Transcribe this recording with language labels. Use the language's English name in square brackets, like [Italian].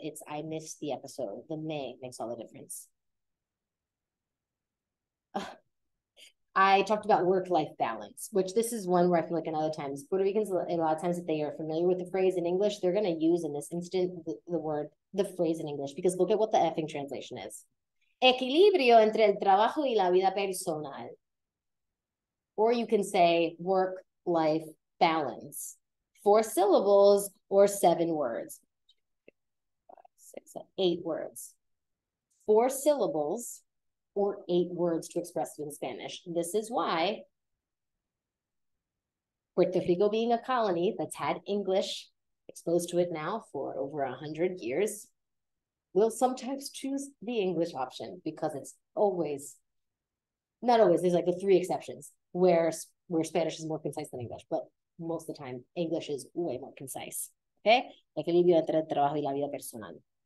[English] It's I missed the episode. The me makes all the difference. I talked about work-life balance, which this is one where I feel like in other times, Puerto Ricans, a lot of times if they are familiar with the phrase in English, they're going to use in this instant the word, the phrase in English, because look at what the effing translation is. [Spanish] Equilibrio entre el trabajo y la vida personal. [English] Or you can say work-life balance. Four syllables or seven words. Six, seven, eight words. Four syllables. Or eight words to express it in Spanish. This is why Puerto Rico, being a colony that's had English exposed to it now for over 100 years, will sometimes choose the English option because it's always, not always, there's like the three exceptions where Spanish is more concise than English, but most of the time, English is way more concise. Okay? [Spanish] Equilibrio entre el trabajo y la vida personal.